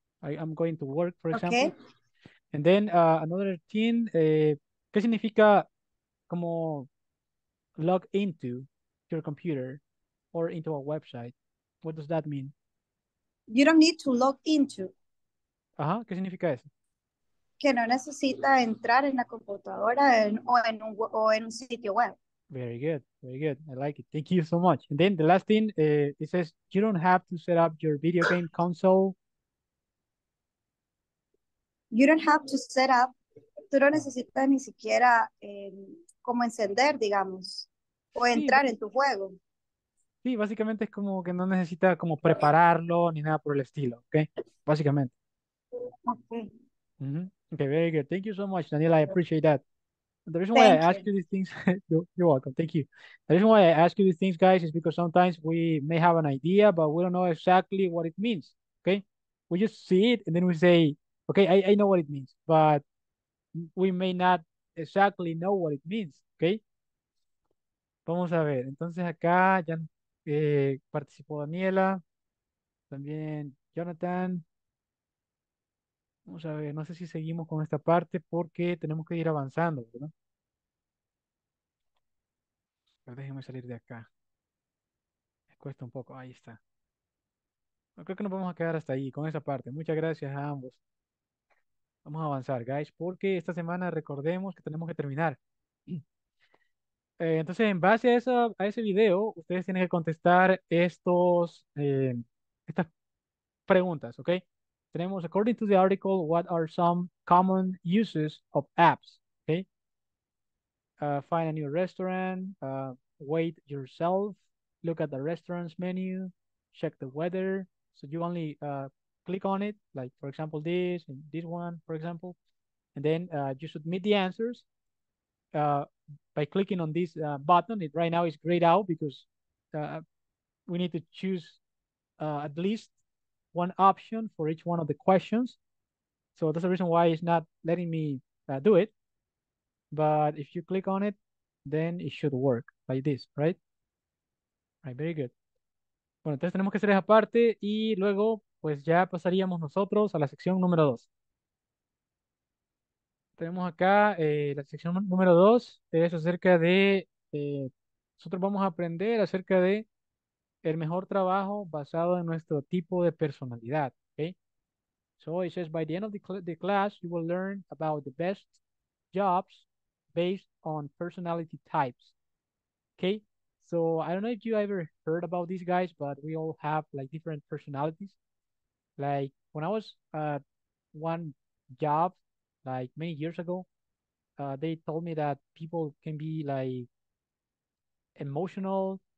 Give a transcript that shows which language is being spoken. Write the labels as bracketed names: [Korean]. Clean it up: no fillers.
[English] I'm going to work, for example. Okay. And then another thing, [Spanish] ¿qué significa como [English] log into your computer or into a website? What does that mean? You don't need to log into. [Spanish] Ajá, ¿qué significa eso? Que no necesita entrar en la computadora o en un sitio web. [English] Very good. Very good. I like it. Thank you so much. And then the last thing, it says you don't have to set up your video game console. You don't have to set up. [Spanish] Tú no necesitas ni siquiera como encender, digamos, o sí, entrar en tu juego. Sí, básicamente es como que no necesita como prepararlo ni nada por el estilo, ¿okay? Básicamente. [English] Okay. Mm-hmm. Okay, very good. Thank you so much, Daniela. I appreciate that. The reason why I ask you these things, you're welcome, thank you. The reason why I ask you these things, guys, is because sometimes we may have an idea, but we don't know exactly what it means, okay? We just see it, and then we say, okay, I know what it means, but we may not exactly know what it means, okay? [Spanish] Vamos a ver, entonces acá ya participó Daniela, también Jonathan. Vamos a ver, no sé si seguimos con esta parte porque tenemos que ir avanzando, ¿verdad? Pero déjenme salir de acá. Me cuesta un poco, ahí está. Creo que nos vamos a quedar hasta ahí, con esa parte. Muchas gracias a ambos. Vamos a avanzar, guys, porque esta semana recordemos que tenemos que terminar. Entonces, en base a ese video, ustedes tienen que contestar estas preguntas, ¿ok? [English] Tenemos, according to the article, what are some common uses of apps, ¿ok? Find a new restaurant, wait yourself, look at the restaurant's menu, check the weather. So you only click on it, like, for example, this and this one, for example. And then you submit the answers by clicking on this button. It right now is grayed out because we need to choose at least one option for each one of the questions. So that's the reason why it's not letting me do it. But if you click on it, then it should work like this, right? Right, very good. [Spanish] Bueno, entonces tenemos que hacer esa parte y luego pues ya pasaríamos nosotros a la sección número 2. Tenemos acá la sección número 2, es acerca de, nosotros vamos a aprender acerca de el mejor trabajo basado en nuestro tipo de personalidad, okay? [English] So it says, by the end of the class, you will learn about the best jobs based on personality types, okay? So I don't know if you ever heard about these guys, but we all have like different personalities. Like when I was at one job, like many years ago, they told me that people can be like emotional.